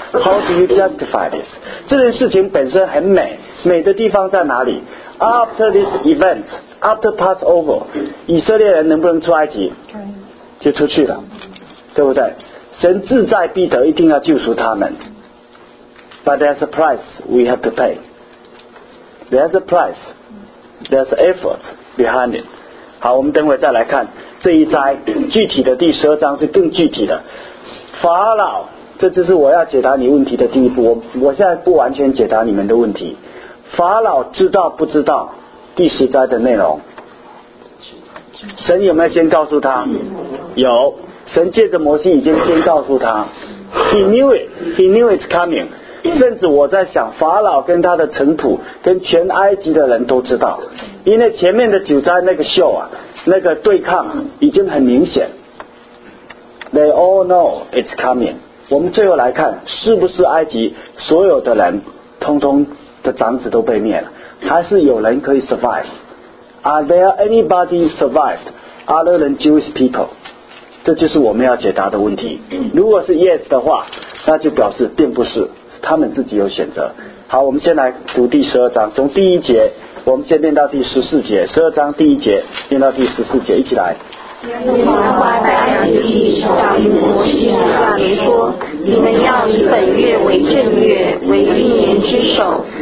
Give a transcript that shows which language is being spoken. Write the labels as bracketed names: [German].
[English] How do you justify this? [Chinese] 这件事情本身很美，美的地方在哪里？ [English] After this event, after Passover, [Chinese] 以色列人能不能出埃及？就出去了，对不对？神志在必得，一定要救赎他们。 [English] But there's a price we have to pay. There's a price. There's effort behind it. [Chinese] 好，我们等会再来看这一灾具体的第十二章是更具体的。法老，这就是我要解答你问题的第一步。我现在不完全解答你们的问题。法老知道不知道第十灾的内容？神有没有先告诉他？有，神借着摩西已经先告诉他。 [English] He knew it. He knew it's coming. [Chinese] 甚至我在想，法老跟他的臣仆跟全埃及的人都知道，因为前面的九灾那个秀啊，那个对抗已经很明显。 [English] They all know it's coming。 [Chinese] 我们最后来看，是不是埃及所有的人通通的长子都被灭了，还是有人可以 survive？ [English] Are there anybody survived other than Jewish people？ [Chinese] 这就是我们要解答的问题。如果是 yes 的话，那就表示并不是，是他们自己有选择。好，我们先来读第十二章，从第一节，我们先念到第十四节，十二章第一节念到第十四节，一起来。耶和华在埃及地上与摩西亚大人说，你们要以本月为正月，为一年之首。